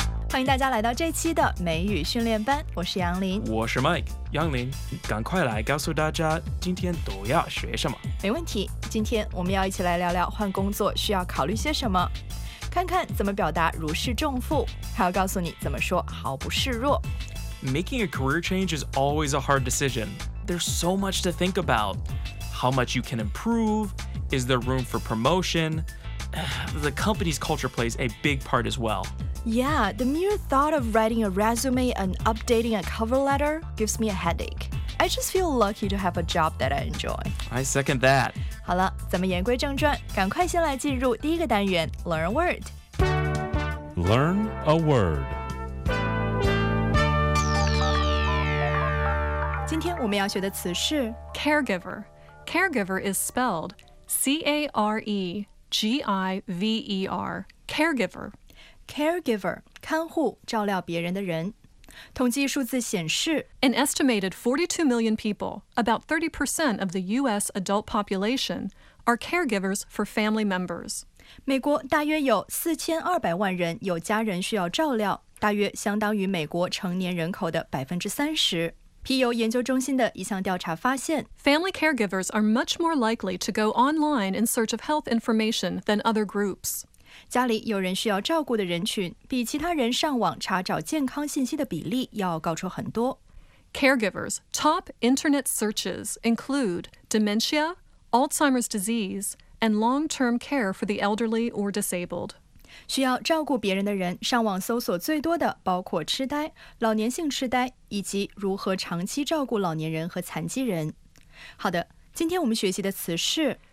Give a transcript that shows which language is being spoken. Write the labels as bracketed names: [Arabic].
[Chinese] 欢迎大家来到这期的美语训练班，我是杨林，我是 Mike。杨林，赶快来告诉大家今天都要学什么。没问题，今天我们要一起来聊聊换工作需要考虑些什么，看看怎么表达如释重负，还要告诉你怎么说毫不示弱。 [English] Making a career change is always a hard decision. There's so much to think about. How much you can improve? Is there room for promotion? The company's culture plays a big part as well. Yeah, the mere thought of writing a resume and updating a cover letter gives me a headache. I just feel lucky to have a job that I enjoy. I second that. [Chinese] 好了，咱们言归正传，赶快先来进入第一个单元 [English] Learn a Word。 Learn a Word。 [Chinese] 今天我们要学的词是 [English] Caregiver。Caregiver is spelled C-A-R-E-G-I-V-E-R。 Caregiver。 [Chinese] Caregiver， 看护，照料别人的人。统计数字显示， [English] An estimated 42 million people, about 30% of the U.S. adult population, are caregivers for family members. [Chinese] 美国大约有4200万人有家人需要照料，大约相当于美国成年人口的 30%。皮尤研究中心的一项调查发现， [English] Family caregivers are much more likely to go online in search of health information than other groups. [Chinese] 家里有人需要照顾的人群，比其他人上网查找健康信息的比例要高出很多。 [English] Caregivers' top internet searches include dementia, Alzheimer's disease, and long-term care for the elderly or disabled. [Chinese] 需要照顾别人的人上网搜索最多的包括痴呆、老年性痴呆，以及如何长期照顾老年人和残疾人。好的，今天我们学习的词是